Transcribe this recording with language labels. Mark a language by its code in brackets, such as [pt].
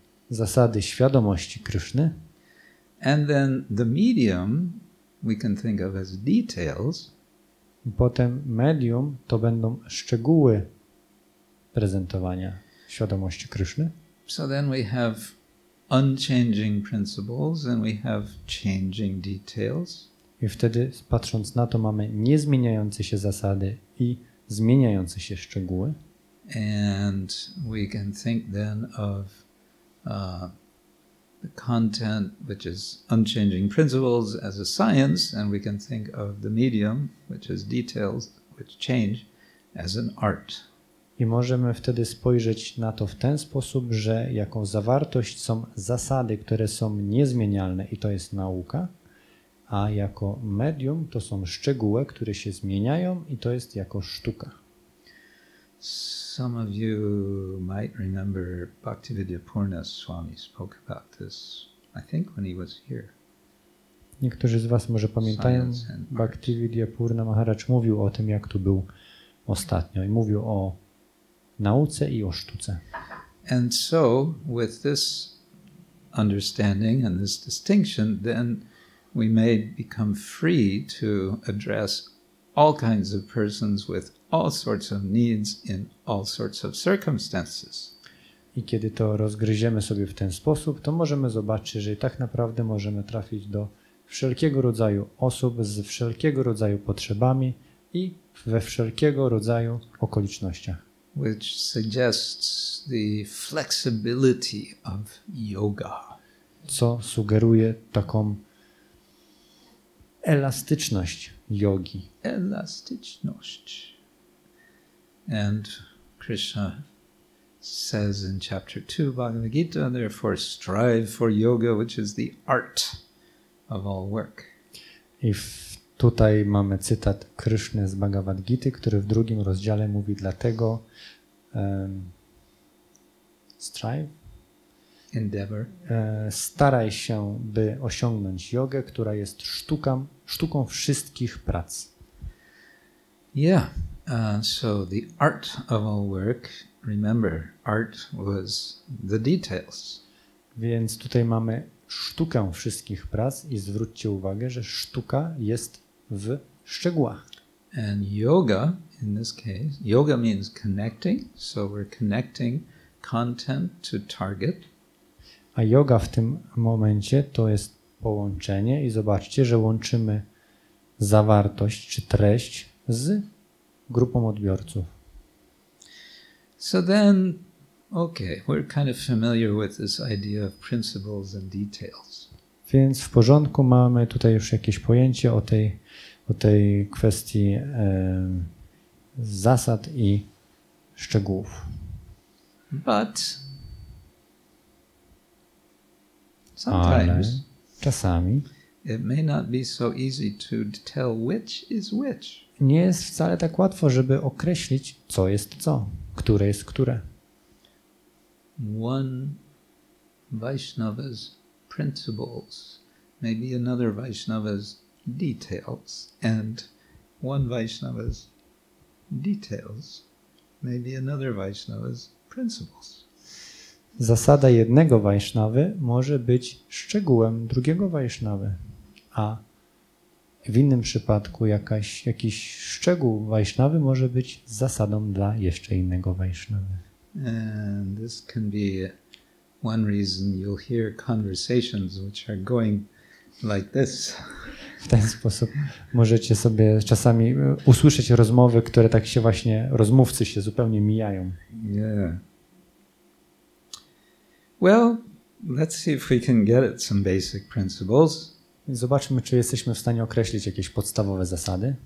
[pl] Zasady świadomości Kryszny. [en] And then the medium we can think of as details. [pl] Potem medium to będą szczegóły prezentowania świadomości Kryszny. [en] So then we have unchanging principles and we have changing details. [pl] I wtedy, patrząc na to, mamy niezmieniające się zasady i zmieniające się szczegóły. [en] And we can think then of the content, which is unchanging principles, as a science, and we can think of the medium, which is details, which change, as an art. [pl] I możemy wtedy spojrzeć na to w ten sposób, że jaką zawartość są zasady, które są niezmienialne, i to jest nauka. A jako medium to są szczegóły, które się zmieniają i to jest jako sztuka. [en] Some of you might remember Bhaktivedya Purna Swami spoke about this, I think, when he was here. [pl] Niektórzy z was może pamiętają, Bhaktivedya Purna Maharaj mówił o tym, jak tu był ostatnio i mówił o nauce i o sztuce. [en] And so with this understanding and this distinction, then we may become free to address all kinds of persons with all sorts of needs in all sorts of circumstances. [pl] I kiedy to rozgryziemy sobie w ten sposób, to możemy zobaczyć, że tak naprawdę możemy trafić do wszelkiego rodzaju osób z wszelkiego rodzaju potrzebami i we wszelkiego rodzaju okolicznościach. [en] Which suggests the flexibility of yoga. [pl] Co sugeruje taką elastyczność jogi. Elastyczność. [en] And Krishna says in chapter 2 Bhagavad Gita, therefore strive for yoga, which is the art of all work. [pl] I tutaj mamy cytat Kryszny z Bhagavad Gita, który w drugim rozdziale mówi, dlatego [en] strive. Endeavor. [pl] Staraj się, by osiągnąć jogę, która jest sztuką wszystkich prac. [en] Yeah. So the art of all work, remember, art was the details. [pl] Więc tutaj mamy sztukę wszystkich prac i zwróćcie uwagę, że sztuka jest w szczegółach. [en] And yoga, in this case, yoga means connecting, so we're connecting content to target. [pl] A yoga w tym momencie to jest połączenie i zobaczcie, że łączymy zawartość czy treść z grupą odbiorców. [en] So then Okay, we're kind of familiar with this idea of principles and details. [pl] Więc w porządku, mamy tutaj już jakieś pojęcie o tej kwestii zasad i szczegółów. [en] But sometimes [pl] czasami [en] it may not be so easy to tell which is which. [pl] Nie jest wcale tak łatwo, żeby określić, co jest co, które jest które. [en] One Vaishnava's principles may be another Vaishnava's details, and one Vaishnava's details may be another Vaishnava's principles. [pl] Zasada jednego Vaishnavy może być szczegółem drugiego Vaishnavy, a w innym przypadku jakiś szczegół Vaishnavy może być zasadą dla jeszcze innego Vaishnavy. [en] And this can be one reason you'll hear conversations which are going like this. [pl] W ten sposób możecie sobie czasami usłyszeć rozmowy, które tak się właśnie rozmówcy się zupełnie mijają. [en] Yeah. Well, let's see if we can get at some basic principles. [pl] Zobaczmy, czy jesteśmy w stanie określić jakieś podstawowe zasady.